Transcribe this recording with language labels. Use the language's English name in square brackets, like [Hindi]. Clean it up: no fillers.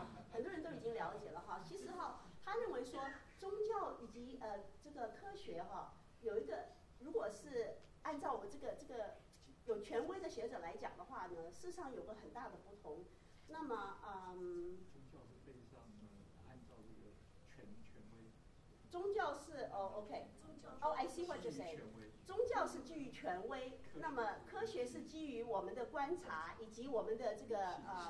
[Chinese] 很多人都已经了解了哈。其实哈，他认为说宗教以及这个科学哈，有一个如果是按照我们这个有权威的学者来讲的话呢，事实上有个很大的不同。那么宗教是被上按照这个权威。宗教是哦 ，OK， 哦 ， [English] I see what you say。 [Chinese] 宗教是基于权威，那么科学是基于我们的观察以及我们的这个